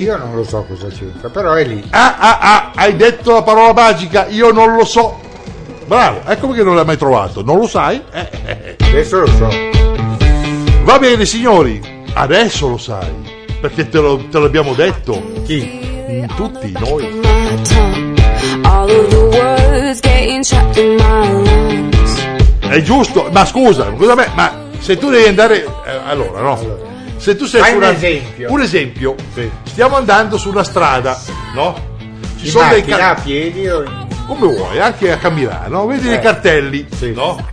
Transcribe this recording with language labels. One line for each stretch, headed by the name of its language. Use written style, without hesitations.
Italian: Io non lo so cosa c'entra, però è lì. Hai detto la parola magica, io non lo so. Bravo, ecco perché non l'hai mai trovato, non lo sai? Adesso lo so. Va bene, signori, adesso lo sai. Perché te l'abbiamo detto. Chi? Tutti noi.
English: All of the words getting trapped in my lungs.
Italian: È giusto, ma scusa, ma se tu devi andare. Allora, no. Se tu sei un esempio. Un esempio. Sì. Stiamo andando su una strada, no? Ci sono dei cartelli. A piedi o come vuoi, anche a camminare, no? Vedi dei cartelli, sì. No?